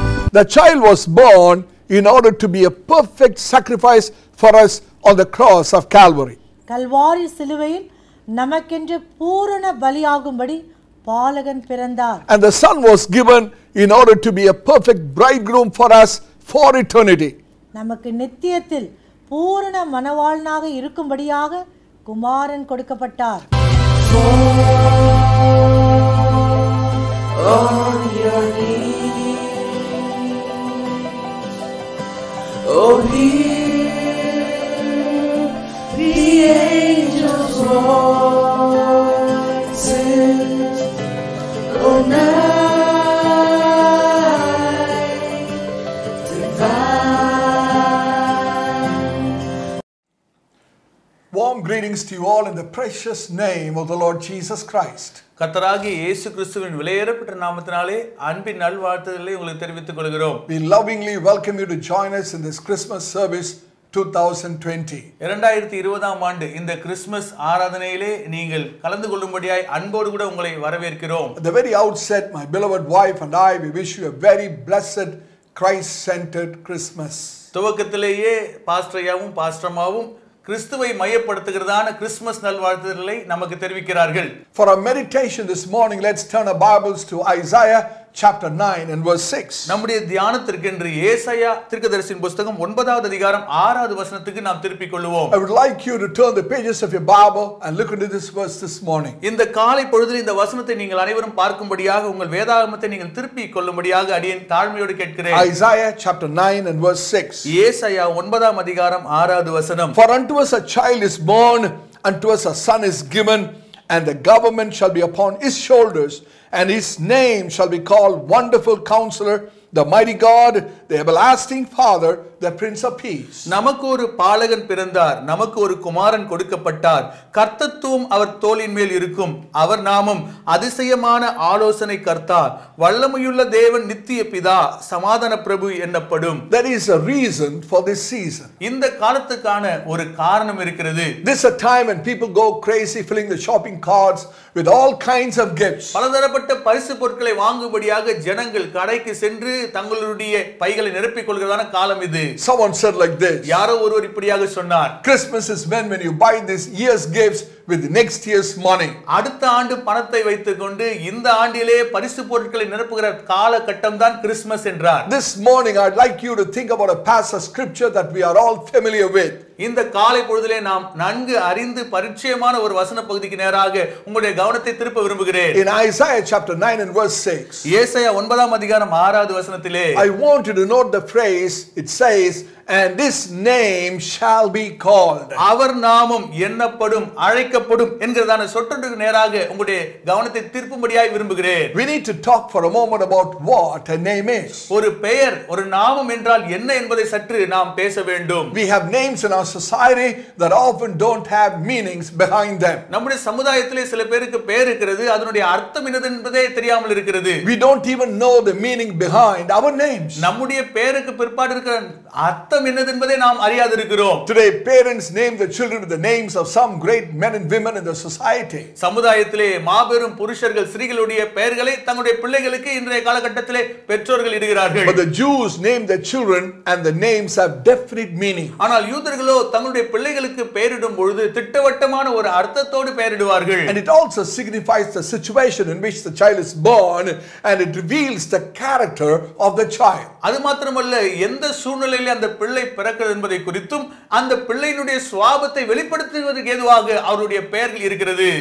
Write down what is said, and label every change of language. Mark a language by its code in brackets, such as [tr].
[en] The child was born in order to be a perfect sacrifice for us on the cross of Calvary. [ta] Kalvari சிலுவையில் நமக்கென்று பூரண பலியாகும்படி பாலகன் பிறந்தார். [en] And the son was given in order to be a perfect bridegroom for us for eternity. [ta] நமக்கு நித்தியத்தில் பூரண மனவாளனாக இருக்கும்படியாக குமாரன் கொடுக்கப்பட்டார். [en] Warm greetings to you all in the precious name of the Lord Jesus Christ. [ta] கர்த்தராகிய இயேசு கிறிஸ்துவின் விலையேறப்பட்ட நாமத்தினாலே அன்பின் நல்வாழ்த்துக்களை உங்களுக்கு தெரிவித்துக் கொள்கிறோம். [en] We lovingly welcome you to join us in this Christmas service 2020. [ta] 2020 ஆம் ஆண்டு இந்த கிறிஸ்துமஸ் ஆராதனையிலே நீங்கள் கலந்து கொள்ளும்படியாய் அன்போடு கூட உங்களை வரவேற்கிறோம். [en] At the very outset, my beloved wife and I, we wish you a very blessed Christ-centered Christmas. [ta] துவக்கத்திலேயே பாஸ்டரையாவும் பாஸ்டர்மாவும் கிறிஸ்துவை மையப்படுத்துகிறதான கிறிஸ்துமஸ் நல்வாழ்த்துக்களை நமக்கு தெரிவிக்கிறார்கள். [en] For our meditation this morning, let's turn our Bibles to Isaiah chapter 9 and verse 6. [ta] நம்முடைய தியானத்திற்கென்று ஏசாயா தீர்க்கதரிசியின் புத்தகம் 9வது அதிகாரம் 6வது வசனத்துக்கு நாம் திருப்பிக் கொள்வோம். [en] I would like you to turn the pages of your Bible and look into this verse this morning. [ta] இந்த காலை பொழுதில் இந்த வசனத்தை நீங்கள் அனைவரும் பார்க்கும்படியாக உங்கள் வேதாகமத்தை நீங்கள் திருப்பிக் கொள்ளும்படியாக அடியேன் தாழ்மையோடு கேட்கிறேன். [en] Isaiah chapter 9 and verse 6. [ta] ஏசாயா 9வது அதிகாரம் 6வது வசனம். [en] For unto us a child is born, unto us a son is given, and the government shall be upon his shoulders. And his name shall be called Wonderful Counselor, the Mighty God, the Everlasting Father, the Prince of Peace. [ta] நமக்கு ஒரு பாலகன் பிறந்தார், நமக்கு ஒரு குமாரன் கொடுக்கப்பட்டார், கர்த்தத்துவம் அவர் தோளின் மேல் இருக்கும், அவர் நாமம் அதிசயமான ஆலோசனை கர்த்தார், வல்லமையுள்ள தேவன் நித்திய பிதா, சமாதான பிரபு எனப்படும். [en] There is a reason for this season. [ta] இந்த காலத்துக்கான ஒரு காரணம் இருக்கிறது. [en] This is a time when people go crazy filling the shopping carts with all kinds of gifts. [ta] பலதரப்பட்ட பரிசு பொருட்களை வாங்கும்படியாக ஜனங்கள் கடைக்கு சென்று தங்களுடைய பைகளை நிரப்பிக் கொள்கிறதான காலம் இது. [en] Someone said like this. [ta] யாரோ ஒருவர் இப்படியாக சொன்னார். [en] Christmas is when you buy this year's gifts with next year's money. [ta] அடுத்த ஆண்டு பணத்தை வைத்துக்கொண்டு இந்த ஆண்டிலே பரிசு பொருட்களை நிரப்புகிற காலகட்டம் தான் கிறிஸ்துமஸ் என்றார். [en] This morning I'd like you to think about a passage of scripture that we are all familiar with. [ta] இந்த காலை பொழுதிலே நாம் நன்கு அறிந்து பரிச்சயமான ஒரு வசன பகுதிக்கு நேராக உங்களுடைய கவனத்தை திருப்ப விரும்புகிறேன். [en] In Isaiah chapter 9 and verse 6. [ta] ஏசாயா 9வது அதிகாரம் 6வது வசனத்திலே [en] I want you to note the phrase it says and this name shall be called. [ta] அவர் நாமம் எண்ணப்படும் அழைக்கப்படும் என்கிறதான சொற்றொடருக்கு நேராக உங்களுடைய கவனத்தை திருப்பும்படியாய் விரும்புகிறேன். [en] We need to talk for a moment about what a name is. [ta] ஒரு பெயர் ஒரு நாமம் என்றால் என்ன என்பதை சற்று நாம் பேச வேண்டும். [en] We have names in our society that often don't have meanings behind them. [ta] நம்முடைய சமூகத்திலே சில பேருக்கு பெயர் இருக்கிறது, அதனுடைய அர்த்தம் என்ன என்பதே தெரியாமல் இருக்கிறது. [en] We don't even know the meaning behind our names. [ta] நம்முடைய பெயருக்கு பிற்பாடு இருக்கிற அர்த்தம் என்னது என்பதை நாம் அறியாது இருக்கிறோம். [en] Today parents name the children with the names of some great men and women in the society. [ta] சமூகத்திலே மாபெரும் புருஷர்கள் ஸ்திரிகளுடைய பெயர்களை தங்களுடைய பிள்ளைகளுக்கு இன்றைய காலகட்டத்திலே பெற்றோர்கள் இடுகிறார்கள். [en] But the Jews name their children and the names have definite meaning. [ta] ஆனால் யூதர்களோ தங்களுடைய பிள்ளைகளுக்கு பெயரிடும் பொழுது திட்டவட்டமான ஒரு அர்த்தத்தோடு பெயரிடுவார்கள். [en] And it also signifies the situation in which the child is born and it reveals the character of the child. [ta] அது மாத்திரமல்ல எந்த சூழ்நிலையிலே அந்த பிள்ளை பிறக்கிறது என்பதை குறித்தும் அந்த பிள்ளையினுடைய சுவாபத்தை வெளிப்படுத்துவதற்கு ஏதுவாக அவருடைய பெயர்கள் இருக்கிறது.